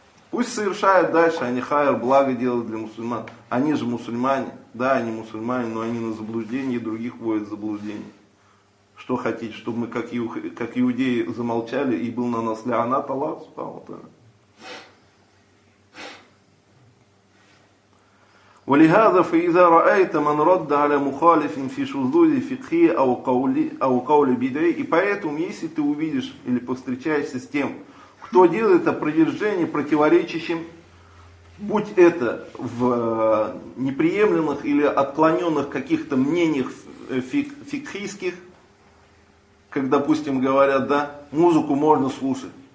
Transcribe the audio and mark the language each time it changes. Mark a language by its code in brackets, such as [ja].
[ru] Пусть совершают дальше, они хайр, благо делают для мусульман. Они же мусульмане. Да, они мусульмане, но они на заблуждение других вводят в заблуждение. Что хотите, чтобы мы, как иудеи, замолчали, и был на нас [ar] лянат Аллах Субхану ва Тааля? ولهذا فإذا رأيت من رد على مخالف في شذوذ فقهي أو قول بدعي. [ru] И поэтому, если ты увидишь или повстречаешься с тем, кто делает опровержение противоречащим, будь это в неприемлемых или отклоненных каких-то мнениях фикхийских, как, допустим, говорят, да, музыку можно слушать.